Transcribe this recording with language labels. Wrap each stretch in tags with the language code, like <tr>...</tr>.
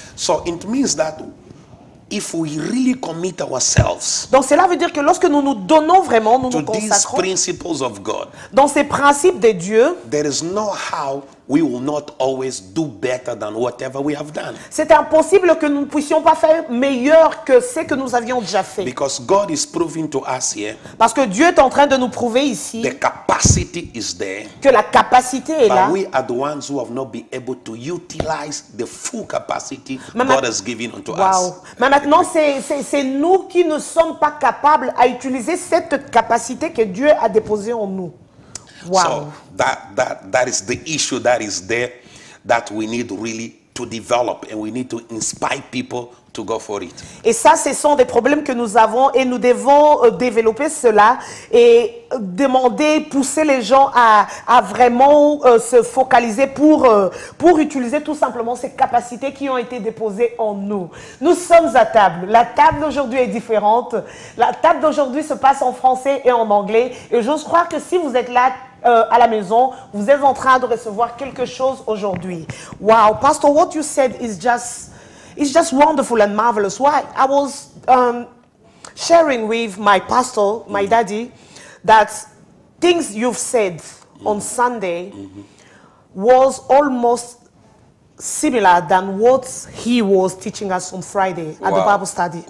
<en>So it means that if we really commit ourselves.</en> <fr>Donc cela veut dire que lorsque nous nous donnons vraiment, nous nous consacrons.</fr> <en>To these principles of God.</en> <fr>Dans ces principes de Dieu.</fr> <en>There is no how we will not always do better than whatever we have done.</en> <fr>C'est impossible que nous ne puissions pas faire meilleur que ce que nous avions déjà fait.</fr> <en>Because God is proving to us here.</en> <fr>Parce que Dieu est en train de nous prouver ici.</fr> <en>The capacity is there.</en> <fr>Que la capacité est là.</fr> <en>But we are the ones who have not been able to utilize the full capacity God has given unto us. Wow.</en> <fr>Mais maintenant, c'est nous qui ne sommes pas capables à utiliser cette capacité que Dieu a déposée en nous. Wow.</fr> <en>So that is the issue that is there that we need really to develop and we need to inspire people to go for it.</en> <fr>Et ça, ce sont des problèmes que nous avons et nous devons développer cela et demander, pousser les gens à vraiment se focaliser pour utiliser tout simplement ces capacités qui ont été déposées en nous. Nous sommes à table. La table d'aujourd'hui est différente. La table d'aujourd'hui se passe en français et en anglais. Et j'ose croire que si vous êtes là, à la maison, vous êtes en train de recevoir quelque chose aujourd'hui.</fr> <en>Wow, Pastor, what you said is just wonderful and marvelous. Why? I was sharing with my pastor, my daddy, that things you've said on Sunday was almost similar than what he was teaching us on Friday at the Bible study.</en>